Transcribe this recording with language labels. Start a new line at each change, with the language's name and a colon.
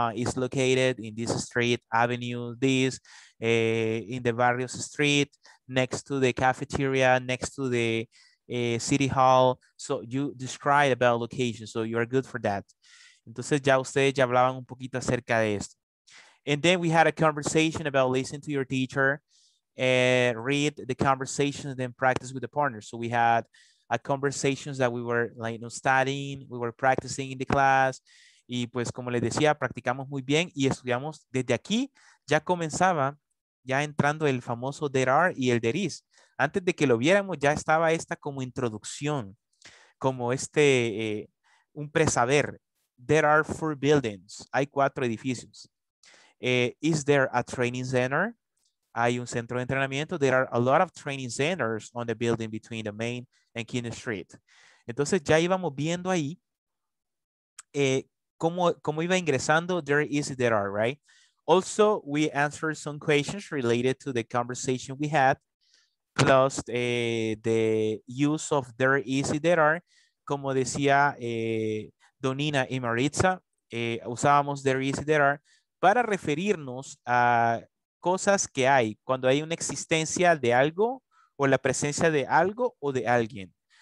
English: It's located in this street, avenue, this, in the barrios street, next to the cafeteria, next to the city hall. So you describe about location, so you are good for that.
Spanish: Entonces ya ustedes ya hablaban un poquito acerca de esto.
English: And then we had a conversation about listening to your teacher, read the conversation, then practice with the partner. So we had a conversations that we were like, you know, studying, we were practicing in the class.
Spanish: Y pues como les decía, practicamos muy bien y estudiamos desde aquí. Ya comenzaba ya entrando el famoso there are y el there is. Antes de que lo viéramos ya estaba esta como introducción, como este un presaber.
English: There are 4 buildings.
Spanish: Hay 4 edificios.
English: Is there a training center?
Spanish: Hay un centro de entrenamiento.
English: There are a lot of training centers on the building between the main and King Street.
Spanish: Entonces ya íbamos viendo ahí cómo iba ingresando.
English: There is, there are, right? Also, we answered some questions related to the conversation we had, plus the use of there is, there are.
Spanish: Como decía Donina y Maritza, usábamos there is, there are para referirnos a cosas que hay, cuando hay una existencia de algo o la presencia de algo o de alguien.